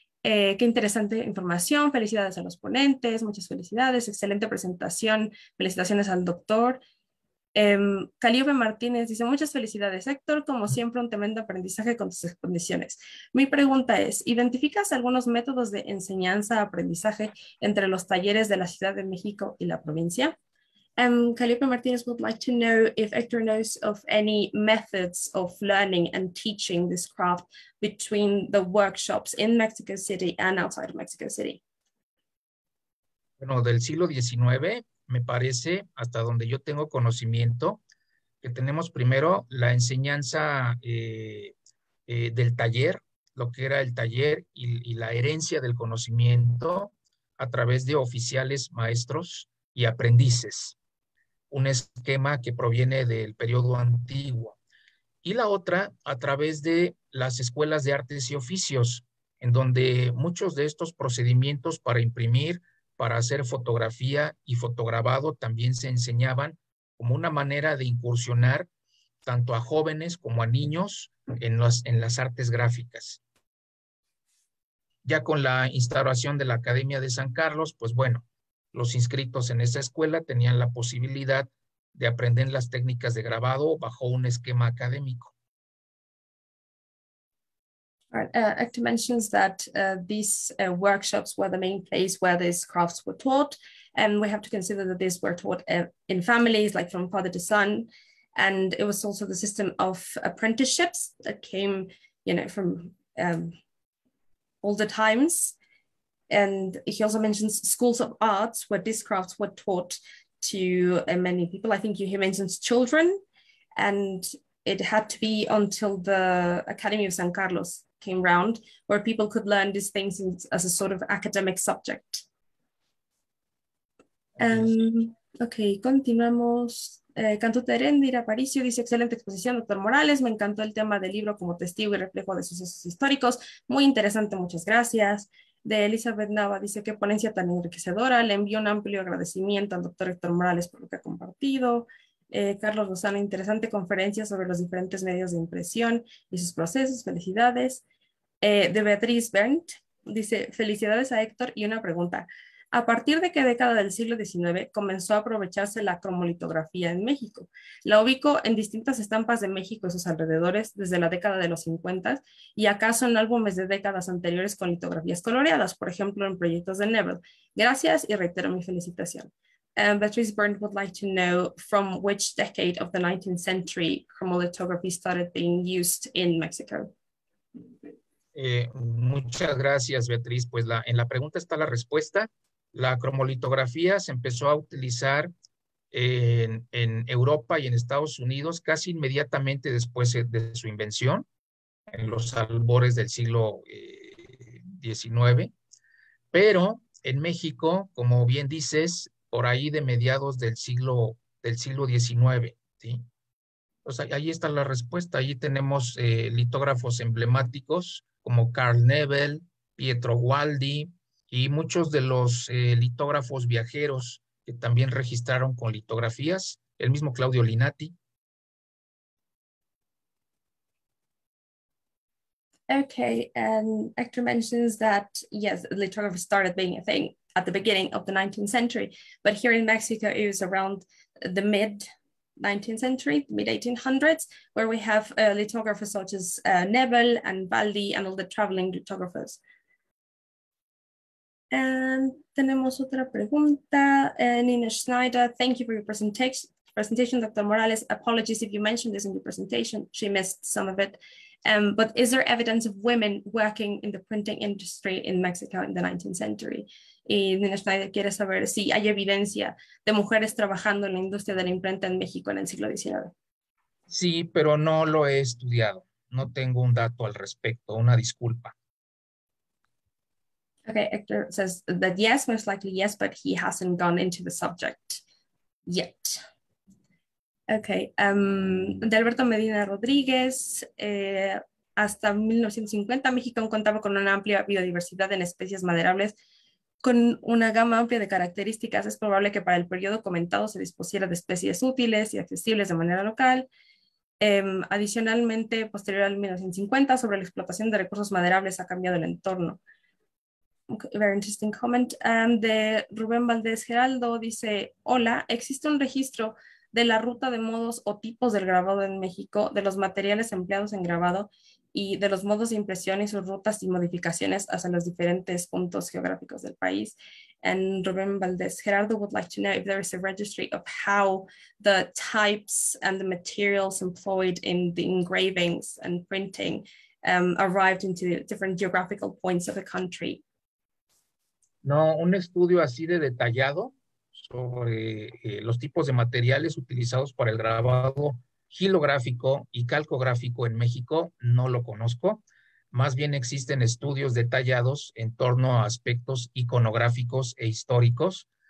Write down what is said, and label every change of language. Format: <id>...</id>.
<es>Qué interesante información, felicidades a los ponentes, muchas felicidades, excelente presentación, felicitaciones al doctor. Calliope Martínez dice, muchas felicidades Héctor, como siempre un tremendo aprendizaje con tus exposiciones. Mi pregunta es, ¿identificas algunos métodos de enseñanza-aprendizaje entre los talleres de la Ciudad de México y la provincia?</es> <en>Calliope Martinez would like to know if Hector knows of any methods of learning and teaching this craft between the workshops in Mexico City and outside of Mexico City.</en> <es>Bueno, del siglo XIX, me parece, hasta donde yo tengo conocimiento, que tenemos primero la enseñanza del taller, lo que era el taller y la herencia del conocimiento a través de oficiales, maestros y aprendices. Un esquema que proviene del periodo antiguo. Y la otra, a través de las escuelas de artes y oficios, en donde muchos de estos procedimientos para imprimir, para hacer fotografía y fotograbado también se enseñaban como una manera de incursionar tanto a jóvenes como a niños en las artes gráficas. Ya con la instauración de la Academia de San Carlos, pues bueno, los inscritos en esa escuela tenían la posibilidad de aprender las técnicas de grabado bajo un esquema académico.</es> <en>Hector mentions that these workshops were the main place where these crafts were taught, and we have to consider that these were taught in families, like from father to son, and it was also the system of apprenticeships that came, you know, from older times. And he also mentions schools of arts where these crafts were taught to many people. I think he mentions children, and it had to be until the Academy of San Carlos came round where people could learn these things in, as a sort of academic subject.</en> <es>Okay, continuamos. Canto Terendir Aparicio dice, excelente exposición, doctor Morales. Me encantó el tema del libro como testigo y reflejo de sucesos históricos. Muy interesante, muchas gracias. De Elizabeth Nava dice, qué ponencia tan enriquecedora, le envío un amplio agradecimiento al doctor Héctor Morales por lo que ha compartido. Carlos Rosano, interesante conferencia sobre los diferentes medios de impresión y sus procesos, felicidades. De Beatriz Berndt dice, felicidades a Héctor y una pregunta, ¿a partir de qué década del siglo XIX comenzó a aprovecharse la cromolitografía en México? La ubico en distintas estampas de México y sus alrededores desde la década de los 50 y acaso en álbumes de décadas anteriores con litografías coloreadas, por ejemplo, en proyectos de Neville. Gracias y reitero mi felicitación.</es> <en>Beatrice Byrne would like to know from which decade of the 19th century cromolitography started being used in Mexico.</en> <es>Muchas gracias, Beatriz. Pues en la pregunta está la respuesta. La cromolitografía se empezó a utilizar en Europa y en Estados Unidos casi inmediatamente después de su invención, en los albores del siglo XIX. Pero en México, como bien dices, por ahí de mediados del siglo XIX. ¿Sí? Pues ahí está la respuesta. Ahí tenemos litógrafos emblemáticos como Carl Neville, Pietro Gualdi, y muchos de los litógrafos viajeros que también registraron con litografías, el mismo Claudio Linati.</es> <en>Okay, and Hector mentions that, yes, lithography started being a thing at the beginning of the 19th century, but here in Mexico it was around the mid-19th century, mid-1800s, where we have lithographers such as Neville and Valdi and all the traveling lithographers.</en> <es>Tenemos otra pregunta,</es> <en>Nina Schneider, thank you for your presentation, Dr. Morales, apologies if you mentioned this in your presentation, she missed some of it, but is there evidence of women working in the printing industry in Mexico in the 19th century?</en> <es>Y Nina Schneider quiere saber si hay evidencia de mujeres trabajando en la industria de la imprenta en México en el siglo XIX. Sí, pero no lo he estudiado, no tengo un dato al respecto, una disculpa.</es> <en>Okay, Hector says that yes, most likely yes, but he hasn't gone into the subject yet.</en> <es>Okay, de Alberto Medina Rodríguez, hasta 1950 México contaba con una amplia biodiversidad en especies maderables con una gama amplia de características. Es probable que para el periodo comentado se dispusiera de especies útiles y accesibles de manera local. Adicionalmente, posterior al 1950, sobre la explotación de recursos maderables ha cambiado el entorno.</es> <en>Very interesting comment.</en> <es>De Rubén Valdés Geraldo dice, hola, ¿existe un registro de la ruta de modos o tipos del grabado en México, de los materiales empleados en grabado y de los modos de impresión y sus rutas y modificaciones hacia los diferentes puntos geográficos del país?</es> <en>And Rubén Valdés Geraldo would like to know if there is a registry of how the types and the materials employed in the engravings and printing arrived into different geographical points of the country.</en> <es>No, un estudio así de detallado sobre los tipos de materiales utilizados para el grabado hilográfico y calcográfico en México, no lo conozco. Más bien existen estudios detallados en torno a aspectos iconográficos e históricos.</es>